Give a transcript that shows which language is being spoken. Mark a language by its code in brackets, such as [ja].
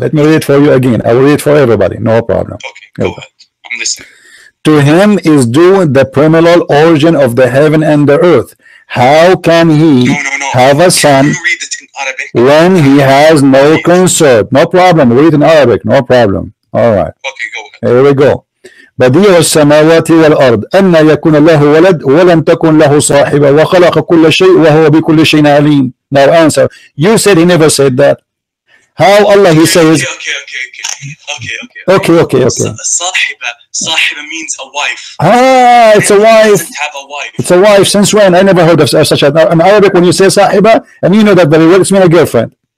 [en] Let me read it for you again. I will read it for everybody. No problem. Okay, go ahead. I'm listening. To him is due the primal origin of the heaven and the earth. How can he have a son when he has no consort? No problem. Read in Arabic. No problem. All right. Okay, go. Here we go. [ar] بديع السماوات والأرض أن يكون له ولد ولم تكن له صاحبة وخلق كل شيء وهو بكل شيء عليم. [en] Now answer. You said he never said that. How Allah he says? Okay. صاحبة means a wife. It's a wife. Doesn't have a wife. It's a wife. Since when? I never heard of such a. In Arabic, when you say [ar] صاحبة, [en] and you know that very well, it's mean a girlfriend.